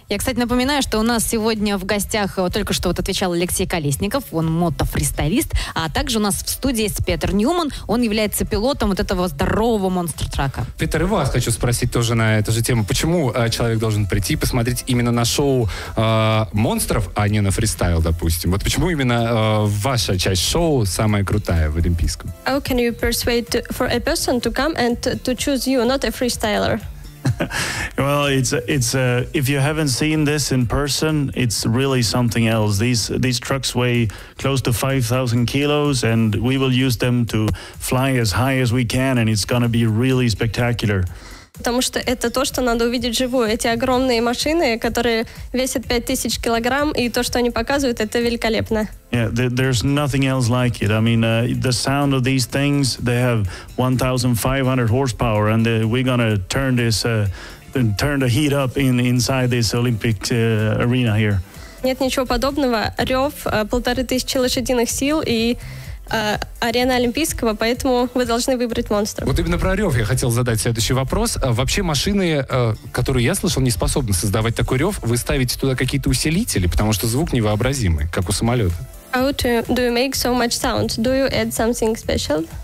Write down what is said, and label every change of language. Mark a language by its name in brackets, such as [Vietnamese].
[Russian] Я, кстати, напоминаю, что у нас сегодня в гостях только что вот отвечал Алексей Колесников, он мотофристайлист, а также у нас в студии есть Петер Ньюман, он является пилотом вот этого здорового монстр-трака. Петер, и вас хочу спросить тоже на эту же тему, почему человек должен прийти и посмотреть именно на шоу монстров, а не на фристайл, допустим. Вот почему именно ваша часть шоу самая крутая в Олимпийском? [English] How can you persuade for a person to come and to choose you, not a freestyler? Well, it's if you haven't seen this in person, it's really something else. These trucks weigh close to 5,000 kilos, and we will use them to fly as high as we can, and it's gonna be really spectacular. [Russian] Потому что это то, что надо увидеть вживую. Эти огромные машины, которые весят 5000 килограмм, и то, что они показывают, это великолепно. [English] Yeah, there's nothing else like it. I mean, the sound of these things, they have 1,500 horsepower, and we're gonna turn this, turn the heat up inside this Olympic arena here. [Russian] Нет ничего подобного. Рев 1500 лошадиных сил и... арена Олимпийского, поэтому вы должны выбрать монстров. Вот именно про рев я хотел задать следующий вопрос. Вообще машины, которые я слышал, не способны создавать такой рев. Вы ставите туда какие-то усилители, потому что звук невообразимый, как у самолета. [English] How do you make so much sound? Do you add something special?